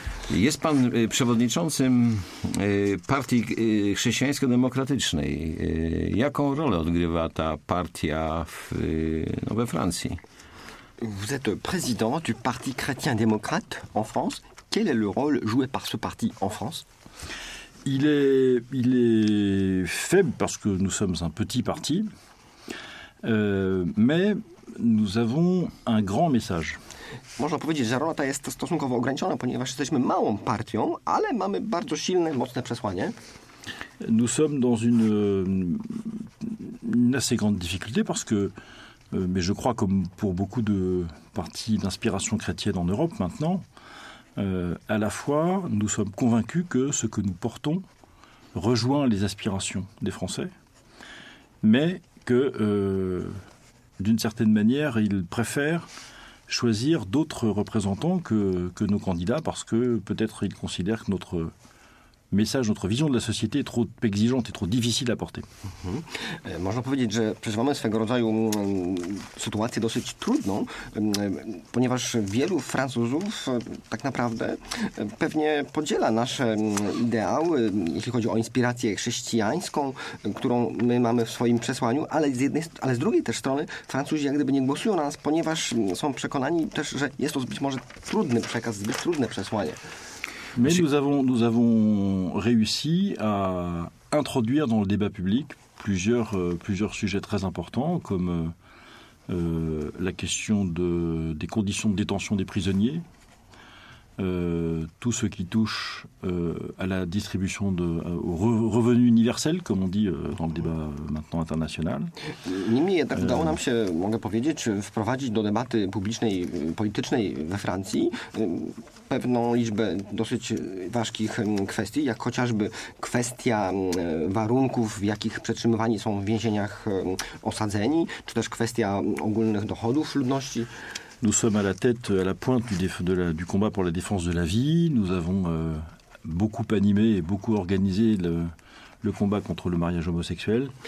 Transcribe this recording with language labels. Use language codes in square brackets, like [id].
[pl] Jest pan przewodniczącym partii chrześcijańsko-demokratycznej. Jaką rolę odgrywa ta partia we Francji? [fr] Vous êtes président du Parti chrétien-démocrate en France. Quel est le rôle joué par ce parti en France? Il est faible parce que nous sommes un petit parti. Mais nous avons un grand message. [pl] Można powiedzieć, że rola ta jest stosunkowo ograniczona, ponieważ jesteśmy małą partią, ale mamy bardzo silne, mocne przesłanie. [fr] Nous sommes dans une assez grande difficulté parce que mais je crois comme pour beaucoup de partis d'inspiration chrétienne en Europe maintenant, à la fois nous sommes convaincus que ce que nous portons rejoint les aspirations des Français, mais que d'une certaine manière, ils préfèrent choisir d'autres représentants que nos candidats parce que peut-être ils considèrent que notre message, notre vision de la société est trop exigeante et trop difficile à porter. [pl] Można powiedzieć, że przeżywamy swego rodzaju sytuację dosyć trudną, ponieważ wielu Francuzów tak naprawdę pewnie podziela nasze ideały, jeśli chodzi o inspirację chrześcijańską, którą my mamy w swoim przesłaniu, ale z drugiej też strony Francuzi jak gdyby nie głosują na nas, ponieważ są przekonani też, że jest to być może trudny przekaz, zbyt trudne przesłanie. [fr] Mais nous avons réussi à introduire dans le débat public plusieurs sujets très importants, comme la question des conditions de détention des prisonniers, tout ce qui touche à la distribution au revenu universel, comme on dit dans le débat maintenant international. [pl] Niemniej jednak udało nam się, mogę powiedzieć, wprowadzić do debaty publicznej, politycznej we Francji pewną liczbę dosyć ważkich kwestii, jak chociażby kwestia warunków, w jakich przetrzymywani są w więzieniach osadzeni, czy też kwestia ogólnych dochodów ludności. [fr] Nous sommes à la tête, à la pointe du combat pour la défense de la vie. Nous avons beaucoup animé et beaucoup organisé le combat contre le mariage homosexuel.